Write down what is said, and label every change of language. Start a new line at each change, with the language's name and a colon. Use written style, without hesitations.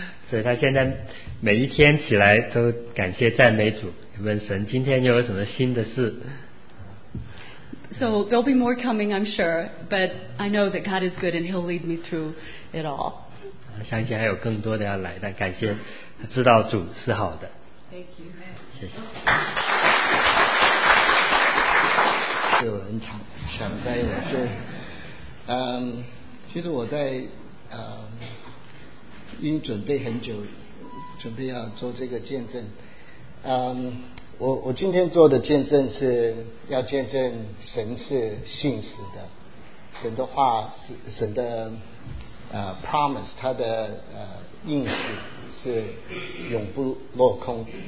Chinese: 所以他现在每一天起来都感谢赞美主，问神今天又有什么新的事。
English: So there'll be more coming, I'm sure, but I know that God is good and He'll lead me through it all.
Chinese: 相信还有更多的要来，但感谢知道主是好的。
English: Thank you.
Chinese: 谢谢。有人抢在我是，其实我在已经准备很久，准备要做这个见证，我今天做的见证是要见证神是信实的，神的话是神的promise， 他的应许是永不落空。